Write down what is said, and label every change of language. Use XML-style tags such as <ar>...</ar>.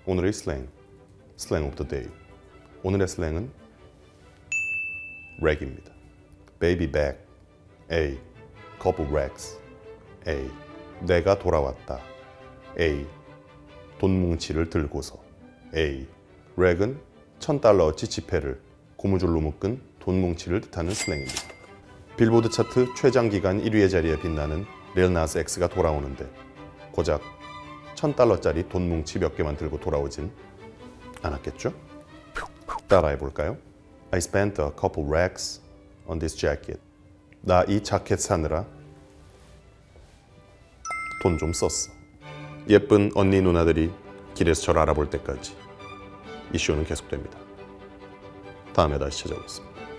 <ko>오늘의 슬랭,</ko> <en>slang of the day.</en> <ko>오늘의 슬랭은 rag입니다.</ko> <en>Baby back, ay, couple racks, ay.</en> <ko>내가 돌아왔다, ay. 돈 뭉치를 들고서, ay. rag은 1,000달러어치 지폐를 고무줄로 묶은 돈 뭉치를 뜻하는 슬랭입니다. 빌보드 차트 최장기간 1위의 자리에 빛나는 Lil Nas X가 돌아오는데 고작 1,000달러짜리 돈 뭉치 몇 개만 들고 돌아오진 않았겠죠? 따라해볼까요?</ko> <en>I spent a couple racks on this jacket.</en> <ko>나 이 자켓 사느라 돈 좀 썼어. 예쁜 언니 누나들이 길에서 저를 알아볼 때까지 이 쇼는 계속됩니다. 다음에 다시 찾아오겠습니다.</ko>